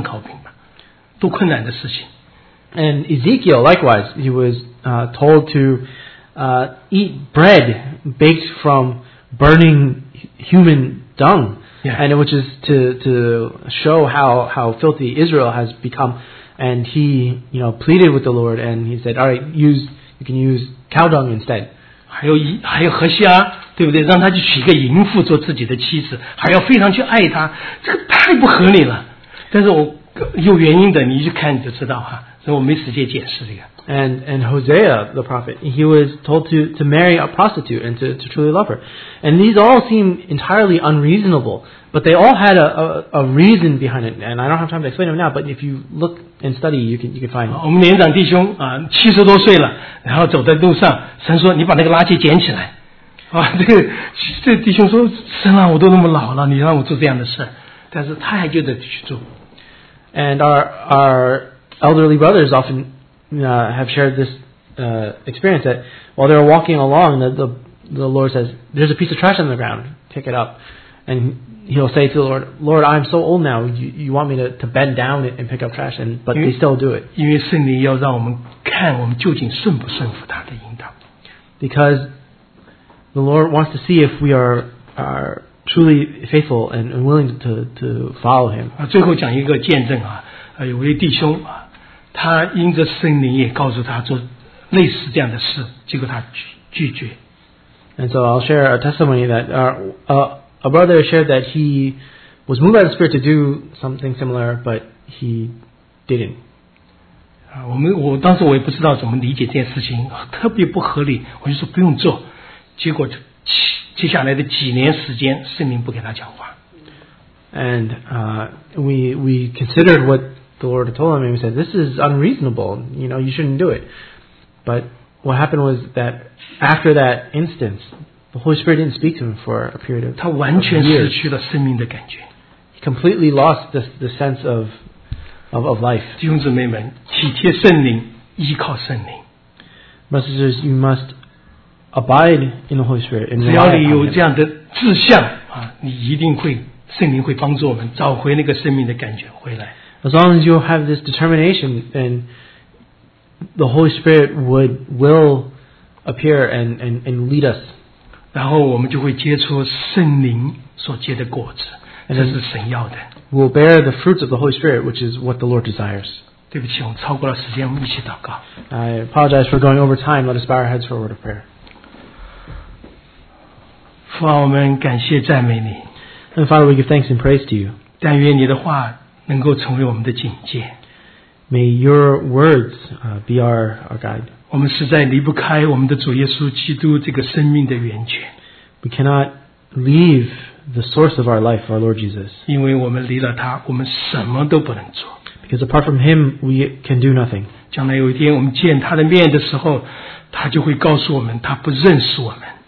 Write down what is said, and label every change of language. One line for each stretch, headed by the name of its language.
Chinese: 这件事情是预表以色列人都肮脏啊！你说你说那个现在让他用人粪来烤饼吃，这个太难太难了。后来他求神，神在让他说用牛粪烤饼吧，多困难的事情。
English: And Ezekiel likewise, he was told to eat bread baked from burning human dung, yeah. And which is to show how filthy Israel has become. And he, you know, pleaded with the Lord, and he said, "All right, you can use cow dung instead."
Chinese: 还有何西阿，对不对？让他去娶一个淫妇做自己的妻子，还要非常去爱她，这个太不合理了。但是我有原因的，你一看你就知道哈。所以我没时间解释这个。
English: And Hosea, the prophet, he was told to marry a prostitute and to truly love her. And these all seem entirely unreasonable, but they all had a reason behind it. And I don't have time to explain them now, but if you look and study, you can find them.
Chinese: 我们年长弟兄啊，七十多岁了，然后走在路上，神说你把那个垃圾捡起来。啊，这弟兄说，神啊，我都那么老了，你让我做这样的事，但是他还就得去做。
English: And our elderly brothers often have shared this experience that while they're walking along, the Lord says, "There's a piece of trash on the ground. Pick it up." And he'll say to the Lord, "Lord, I'm so old now. You want me to bend down and pick up trash?" But they still do it.
Chinese: 因为圣灵要让我们看我们究竟顺不顺服他的引导。
English: Because the Lord wants to see if we are truly faithful and willing to follow Him.
Chinese: 最后讲一个见证啊，有位弟兄啊。他因着圣灵也告诉他做类似这样的事，结果他拒绝。
English: And so I'll share a testimony that a brother shared that he was moved by the Spirit to do something similar, but he didn't.
Chinese: 我当时我也不知道怎么理解这件事情，特别不合理，我就说不用做。结果接下来的几年时间，圣灵不给他讲话。
English: And we considered what. The Lord told him, and he said, "This is unreasonable. You know, you shouldn't do it." But what happened was that after that instance, the Holy Spirit didn't speak to him for a period of years.
Chinese: 他完全失去了生命的感觉。
English: He completely lost the sense of life.
Chinese: 弟兄姊妹们，体贴圣灵，依靠圣灵。
English: Messengers, you must abide in the Holy Spirit.
Chinese: 只要你有这样的志向啊，你一定会圣灵会帮助我们找回那个生命的感觉回来。
English: As long as you have this determination, then the Holy Spirit will appear and lead us.
Chinese: 然后我们就会结出圣灵所结的果子，这是神要的。
English: We'll bear the fruits of the Holy Spirit, which is what the Lord desires.
Chinese: 对不起，我们超过了时间，我们一起祷告。
English: I apologize for going over time. Let us bow our heads for a word of prayer.
Chinese: 父王，我们感谢赞美你。
English: And Father, we give thanks and praise to you.
Chinese: 但愿你的话能够成为我们的警戒。
English: May your words be our guide.
Chinese: 我们实在离不开我们的主耶稣基督这个生命的源泉。
English: We cannot leave the source of our life, our Lord Jesus.
Chinese: 因为我们离了他，我们什么都不能做。
English: Because apart from him, we can do nothing.
Chinese: 将来有一天我们见他的面的时候，他就会告诉我们他不认识我们。